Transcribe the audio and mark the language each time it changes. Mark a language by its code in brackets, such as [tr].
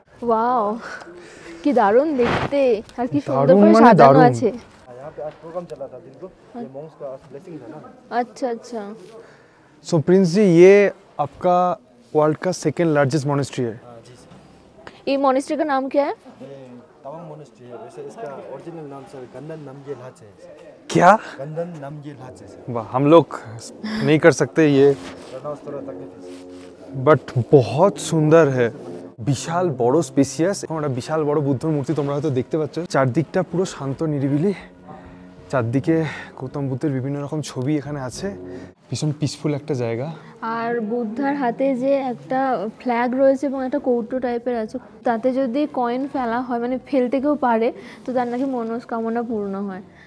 [bn] Wow, কি দারুণ দেখতে, আর কি সুন্দর করে সাজানো আছে। আচ্ছা আচ্ছা, [hi] সো প্রিন্স জি, ইয়ে আপকা ওয়ার্ল্ড কা সেকেন্ড লার্জেস্ট মনেস্ট্রি হ্যায়, এই মনেস্ট্রি কা নাম কি হ্যায়? तवंग मनुष्य है। वैसे इसका ओरिजिनल नाम सर गंदन नमजे लाचे है। क्या गंदन नमजे लाचे सर? वाह, हम लोग नहीं कर सकते ये, बट बहुत सुंदर है। [bn] বিশাল বড় স্পেসিয়াস, একটা বিশাল বড় বুদ্ধের মূর্তি তোমরা হয়তো দেখতে পাচ্ছ। চারদিকটা পুরো শান্ত নিরিবিলি, চারদিকে গৌতম বুদ্ধের বিভিন্ন রকম ছবি এখানে আছে, ভীষণ পিসফুল একটা জায়গা। আর বুদ্ধার হাতে যে একটা ফ্ল্যাগ রয়েছে এবং একটা কৌটো টাইপের আছে, তাতে যদি কয়েন ফেলা হয়, মানে ফেলতে কেউ পারে, তো তার নাকি মনস্কামনা পূর্ণ হয়।